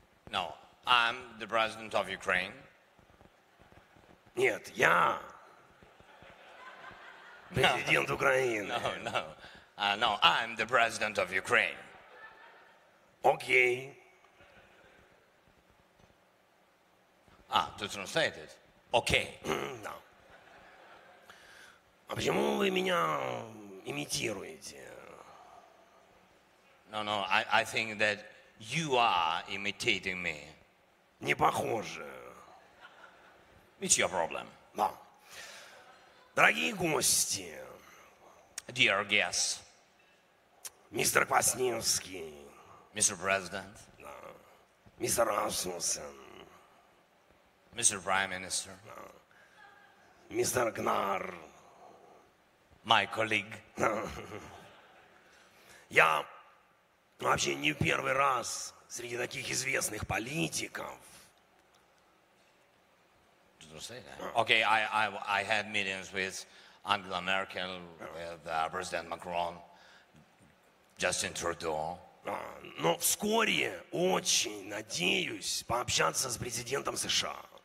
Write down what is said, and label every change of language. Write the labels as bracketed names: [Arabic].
[English] No, I'm the president of Ukraine. [Russian] Нет, я президент Украины. [English] No. I'm the president of Ukraine. Окей. Ah, to translate it. Окей. [Russian] Да. А почему вы меня имитируете? [English] No, I think that you are imitating me. [Russian] не похоже. [English] It's your problem. [Russian] Да. Дорогие гости. [English] Dear guests. [Russian] Мистер Квасневский. [English] Mr. President. [Russian] Да. Мистер Расмуссен. [English] Mr. Prime Minister. [Russian] Да. Мистер Гнар. [English] My colleague. [Russian] Я вообще не в первый раз среди таких известных политиков. [English] Did you say that? Okay, I had meetings with Angela Merkel, with President Macron, Justin Trudeau. [Russian] Но вскоре очень надеюсь пообщаться с президентом США.